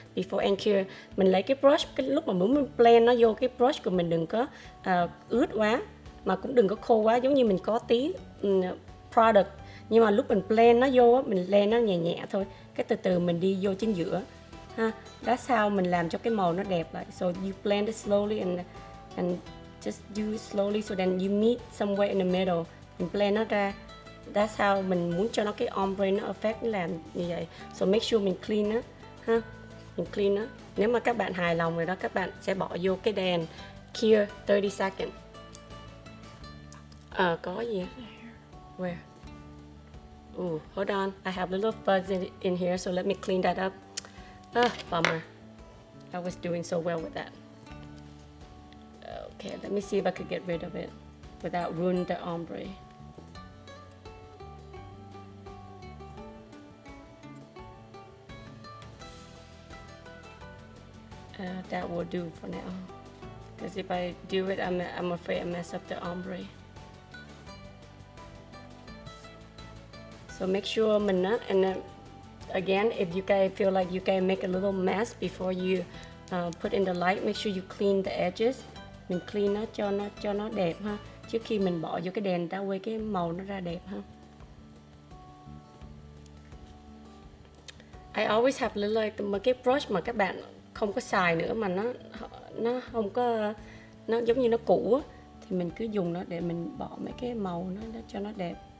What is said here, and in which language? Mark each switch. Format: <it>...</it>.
<en>Before and cure,</en> <vi>mình lấy cái brush, cái lúc mà muốn mình blend nó vô cái brush của mình đừng có ướt quá, mà cũng đừng có khô quá, giống như mình có tí product. Nhưng mà lúc mình blend nó vô á, mình blend nó nhẹ nhẹ thôi, cái từ từ mình đi vô chính giữa. Đó sao mình làm cho cái màu nó đẹp lại.</vi> <en>So you blend it slowly and just do it slowly so then you meet somewhere in the middle and blend</en> <vi>nó ra. Đó sao mình muốn cho nó cái ombre nó effect làm như vậy.</vi> <en>So make sure</en> <vi>mình clean nó ha. Mình clean nó. Nếu mà các bạn hài lòng rồi đó, các bạn sẽ bỏ vô cái đèn cure</vi> <en>30 seconds.</en> <vi>Có gì?</vi> <en>Where? Ooh, hold on. I have a little fuzz in here, so let me clean that up. Bummer. I was doing so well with that. Okay, let me see if I could get rid of it without ruining the ombre. That will do for now. Because if I do it, I'm afraid I mess up the ombre. So make sure</en> <vi>mình nó,</vi> <en>and then again, if you guys feel like you can make a little mess before you put in the light, make sure you clean the edges.</en> <vi>Mình clean nó cho nó đẹp ha. Trước khi mình bỏ vô cái đèn ta quay cái màu nó ra đẹp ha.</vi> <en>I always have little like</en> <vi>một cái brush mà các bạn không có xài nữa mà nó không có, nó giống như nó cũ á, thì mình cứ dùng nó để mình bỏ mấy cái màu nó cho nó đẹp.</vi>